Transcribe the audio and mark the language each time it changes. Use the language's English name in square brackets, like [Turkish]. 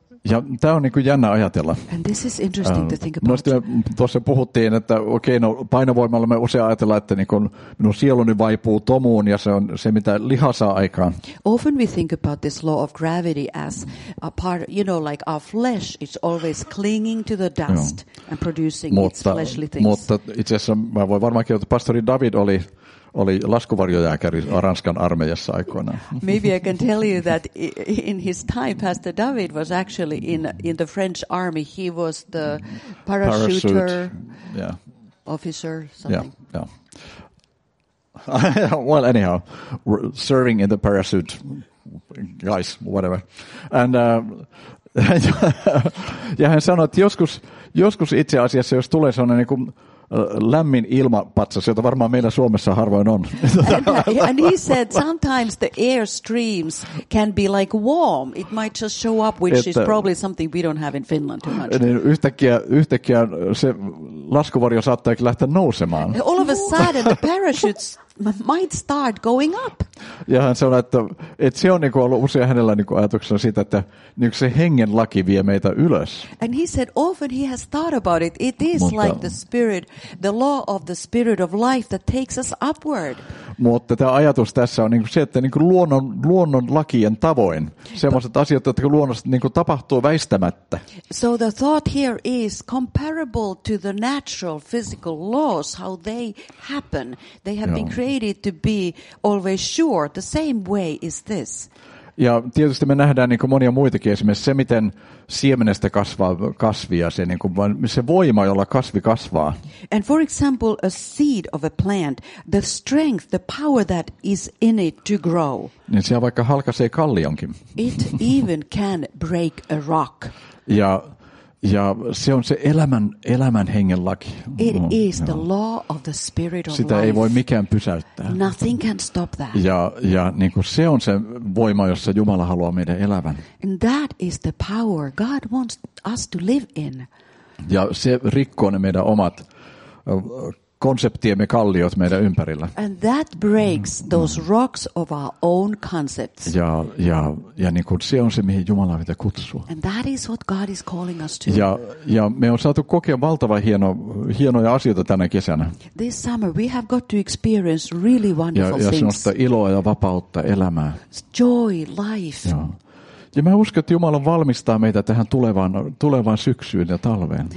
[Finnish] Ja tämä on niin kuin jännä ajatella. [English] And this is interesting to think about. [Finnish] No, tuossa puhuttiin, että okay, painovoimalla me usein ajatellaan, että niin kuin minun sieluni vaipuu tomuun ja se on se, mitä liha saa aikaan. [English] Often we think about this law of gravity as a part, you know, like our flesh is always clinging to the dust and producing its fleshly things. [Finnish] Mutta itse asiassa mä voin varmaan kertoa, että pastori David oli laskuvarjojääkäri Ranskan armeijassa aikoinaan. [English] Maybe I can tell you that in his time Pastor David was actually in the French army. He was the parachuter officer something. Yeah. Well, anyhow, serving in the parachute guys whatever. [Finnish] And ja hän sanoi, että joskus itse asiassa jos tulee sellainen niin kuin lämmin ilmapatsas, jota varmaan meillä Suomessa harvoin on. [English] And he said sometimes the air streams can be like warm. It might just show up, which is probably something we don't have in Finland too much. [Finnish] Niin yhtäkkiä se laskuvarjo saattaakin lähteä nousemaan. [English] All of a sudden the parachutes might start going up. [Finnish] Ja hän sanoi, että se on niin kuin ollut usein hänellä niin kuin ajatuksena siitä, että niin kuin se hengen laki vie meitä ylös. [English] And he said often he has thought about it. It is like the spirit, the law of the spirit of life that takes us upward. [Finnish] Mutta tämä ajatus tässä on niin kuin se, että niin kuin luonnon lakien tavoin sellaiset asiat, jotka luonnosta niin kuin tapahtuu väistämättä. [English] So the thought here is comparable to the natural physical laws, how they happen. They have been created to be always sure. The same way is this. [Finnish] Ja tietysti me nähdään niin kuin monia muitakin, esimerkiksi se, miten siemenestä kasvaa kasvia, se, niin kuin, se voima, jolla kasvi kasvaa. [English] And for example, a seed of a plant, the strength, the power that is in it to grow. [Finnish] Niin siellä vaikka halkaisee kallionkin. [English] It even can break a rock. [Finnish] Ja Ja se on se elämän hengen laki. [English] It is the law of the spirit of life. [Finnish] Sitä ei voi mikään pysäyttää. [English] Nothing can stop that. [Finnish] Ja niin kuin se on se voima, jossa Jumala haluaa meidän elävän. [English] And that is the power God wants us to live in. [Finnish] Ja se rikkoo ne meidän omat konseptiemme kalliot meidän ympärillä. [English] And that breaks those rocks of our own concepts. [Finnish] Ja niin kuin se on se, mihin Jumala meitä kutsuu. [English] And that is what God is calling us to. [Finnish] Ja me on saatu kokea valtavan hienoja asioita tänä kesänä. [English] This summer we have got to experience really wonderful things. [Finnish] Ja sellaista iloa ja vapautta elämää. [English] Joy, life. [Finnish] Ja mä uskon, että Jumala valmistaa meitä tähän tulevaan syksyyn ja talveen.